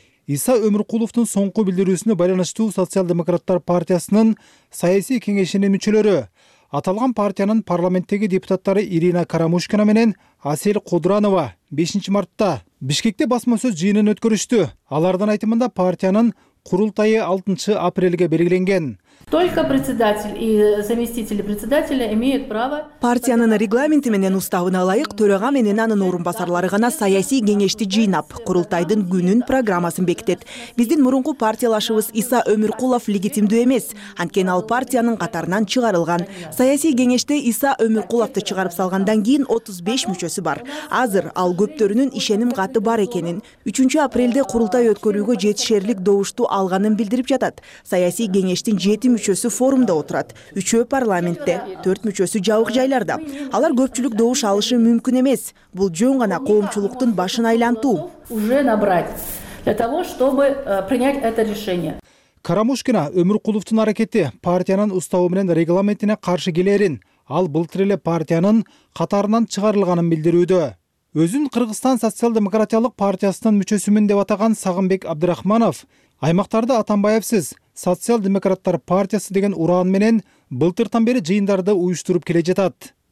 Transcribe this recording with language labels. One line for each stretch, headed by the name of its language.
Kyrgyz: Иса Өмүркуловтун соңку билдирүүсүнө байланыштуу социал-демократтар партиясынын саясий кеңешинин мүчөлөрү аталган партиянын парламенттеги депутаттары Ирина Карамушкина менен Асель Кудуранова 5 мартта Бишкекте басма сөз жыйынын өткөрүштү. Алардын айтымында партиянын курултайы 6 апрелге белгиленген.
Russian: Только председатель и заместители председателя имеют право.
Kyrgyz: Партиянын регламенти менен уставына ылайык төрага менен анын орун басарлары гана саясий кеңешти жыйнап, курултайдын күнүн программасын бекитет. Биздин мурунку партиялашыбыз Иса Өмүркулов легитимдүү эмес, анткени ал партиянын катарынан чыгарылган. Саясий кеңеште Иса Өмүркуловду чыгарып салгандан кийин 35 мүчөсү бар. Азыр ал көптөрүнүн ишеним каты бар экенин, 3 апрелде курултай өткөрүүгө жетишерлик добушту алганын билдирип жатат. Саясий кеңештин 7 мүчөсү форумда отурат. 3 парламентте, 4 мүчөсү жабык жайларда. Алар көпчүлүк добуш алышы мүмкүн эмес. Бул жөн гана коомчулуктун башын айлантуу.
Russian: Уже набрать для того, чтобы принять это решение.
Kyrgyz: Карамушкина Өмүркуловтун аракети партиянын уставы менен регламентине каршы келерин, ал былтыр эле партиянын катарынан чыгарылганын билдирүүдө. Өзүн Кыргызстан социал-демократиялык партиясынын мүчөсүмүн деп атаган Сагынбек Абдрахманов аймактарда Атамбаевсиз социал-демократтар партиясы деген ураан менен былтыртан бери жыйындарды уюштуруп келе жатат.